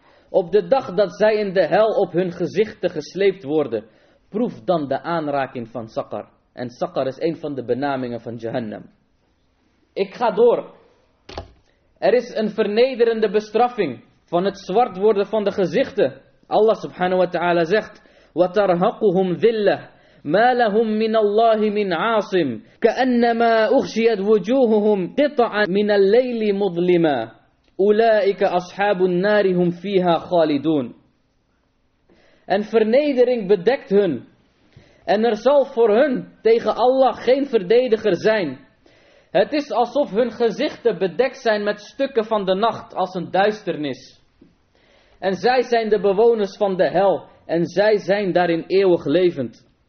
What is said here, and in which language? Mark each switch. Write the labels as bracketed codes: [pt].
[nl] Op de dag dat zij in de hel op hun gezichten gesleept worden, proef dan de aanraking van Saqar. En Saqar is een van de benamingen van Jahannam. Ik ga door. Er is een vernederende bestraffing van het zwart worden van de gezichten. [ar] Allah subhanahu wa ta'ala [nl] zegt: [ar] وَتَرْهَقُهُمْ ذِلَّةِ مَا لَهُمْ مِنَ اللَّهِ مِنْ عَاصِمٍ كَأَنَّمَا أُخْشِيَتْ وُجُوهُهُمْ قِطَعًا مِنَ اللَّيْلِ مُظْلِمًا أُولَٰئِكَ أَصْحَابُ النَّارِ هُمْ فِيهَا خَالِدُونَ. [nl] En vernedering bedekt hun. En er zal voor hun tegen Allah geen verdediger zijn. Het is alsof hun gezichten bedekt zijn met stukken van de nacht als een duisternis. En zij zijn de bewoners van de hel. En zij zijn daarin eeuwig levend.